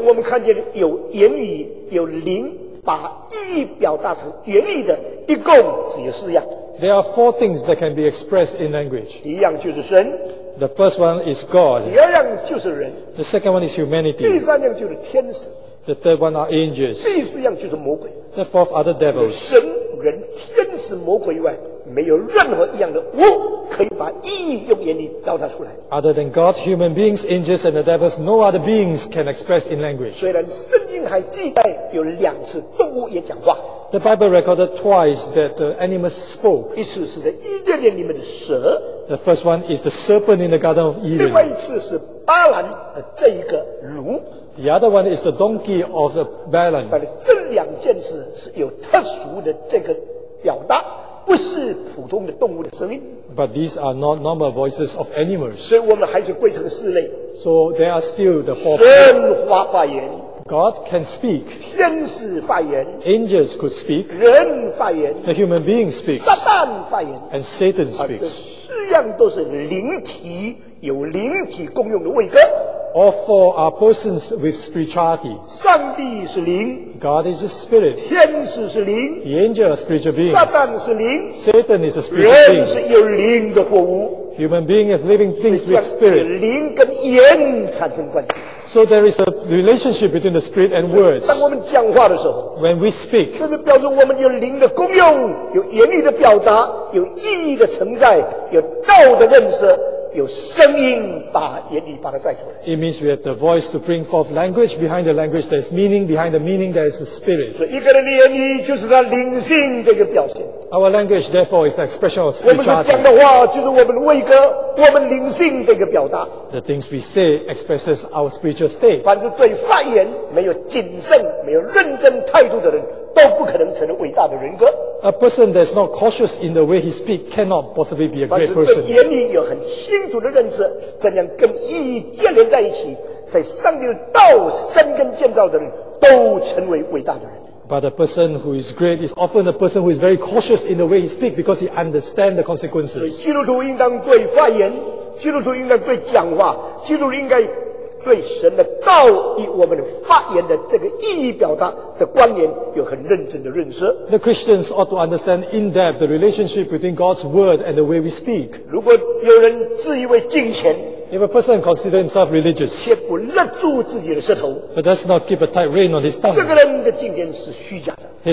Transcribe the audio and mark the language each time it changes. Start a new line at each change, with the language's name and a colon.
Chinese: 像我们看见有言语有灵把意义表达成原意的，一共只有四样。
English: There are four things that can be expressed in language.
Chinese: 一样就是神。
English: The first one is God.
Chinese: 第二样就是人。
English: The second one is humanity.
Chinese: 第三样就是天使。
English: The third one are angels.
Chinese: 第四样就是魔鬼。
English: The fourth are the devils.
Chinese: 神、人、天使、魔鬼以外，没有任何一样的物可以把意义用言语表达出来。
English: Other than God, human beings, angels, and the devils, no other beings can express in language.
Chinese: 虽然圣经还记载有两次动物也讲话。
English: The Bible recorded twice that the animals spoke.
Chinese: 一次是在伊甸园里面的蛇。
English: The first one is the serpent in the Garden of Eden.
Chinese: 另外一次是巴兰的这一个驴。
English: The other one is the donkey of the Balaam.
Chinese: 但是这两件事是有特殊的这个表达，不是普通的动物的声音。
English: But these are not normal voices of animals.
Chinese: 所以我们还是归成四类。
English: So there are still the four.
Chinese: 神话发言。
English: God can speak.
Chinese: 天使发言。
English: Angels could speak.
Chinese: 人发言。
English: The human being speaks.
Chinese: 撒旦发言。
English: And Satan speaks.
Chinese: 这四样都是灵体，有灵体共用的位格。
English: All four are persons with spirituality.
Chinese: 上帝是灵。
English: God is a spirit.
Chinese: 天使是灵。
English: The angel is a spiritual being.
Chinese: 撒旦是灵。
English: Satan is a spiritual being.
Chinese: 人是有灵的活物。
English: Human being is living things with spirit.
Chinese: 灵跟言产生关系。
English: So there is a relationship between the spirit and words.
Chinese: 当我们讲话的时候。
English: When we speak.
Chinese: 这是表示我们有灵的功用，有言语的表达，有意义的承载，有道的认识。有声音把言语把它载出来。
English: It means we have the voice to bring forth language behind the language. There is meaning behind the meaning. There is a spirit.
Chinese: 所以一个人的言语就是他灵性的一个表现。
English: Our language, therefore, is the expression of spirituality.
Chinese: 我们讲的话就是我们的位格，我们灵性的一个表达。
English: The things we say expresses our spiritual state.
Chinese: 凡是对发言没有谨慎、没有认真态度的人，都不可能成为伟大的人格。
English: A person that is not cautious in the way he speaks cannot possibly be a great person.
Chinese: 但是对言语有很清楚的认识，怎样跟意义建立在一起，在上帝的道生根建造的人，都成为伟大的人。
English: But a person who is great is often a person who is very cautious in the way he speaks because he understands the consequences.
Chinese: 基督徒应当对发言，基督徒应当对讲话，基督徒应该对神的道与我们的发言的这个意义表达的关联有很认真的认识。
English: The Christians ought to understand in depth the relationship between God's word and the way we speak.
Chinese: 如果有人自以为敬虔。
English: If a person considers himself religious,
Chinese: 却不勒住自己的舌头。
English: But does not keep a tight rein on his tongue.
Chinese: 这个人的敬虔是虚假的。